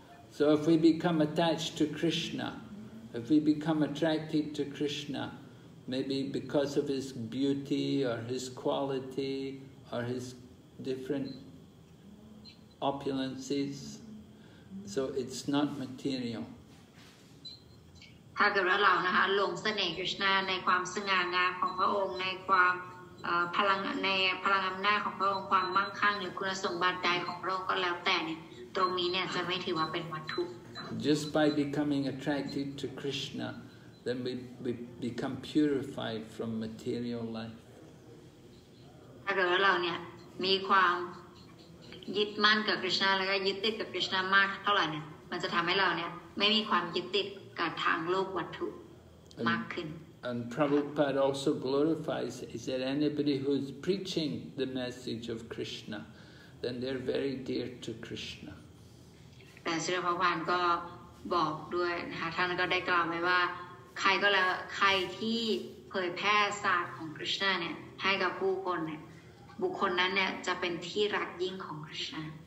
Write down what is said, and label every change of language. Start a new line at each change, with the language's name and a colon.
English: So if we become attached to Krishna, if we become attracted to Krishna, maybe because of his beauty or his quality or his different opulences, so it's not material.
Thai: ถ้าเกิดว่าเรานะคะหลงเสน่ห์ Krishna ในความสง่างามของพระองค์ในความพลังอำนาจของพระองค์ความมั่งคั่งหรือคุณสมบัติใดของพระองค์ก็แล้วแต่เนี่ยตรงนี้เนี่ยจะไม่ถือว่าเป็นวัตถุ
English: Just by becoming attracted to Krishna, then we become purified from material life.
Thai: ถ้าเกิดว่าเราเนี่ยมีความยึดมั่นกับ Krishna แล้วก็ยึดติดกับ Krishna มากเท่าไหร่เนี่ยมันจะทำให้เราเนี่ยไม่มีความยึดติดกับทางโลกวัตถุมากขึ้น
English: And Prabhupada also glorifies, he said, anybody who is preaching the message of Krishna, then they are very dear to Krishna. But Srila Prabhupada also said, he said, if anyone who is preaching Krishna to people, that person will be the love of Krishna.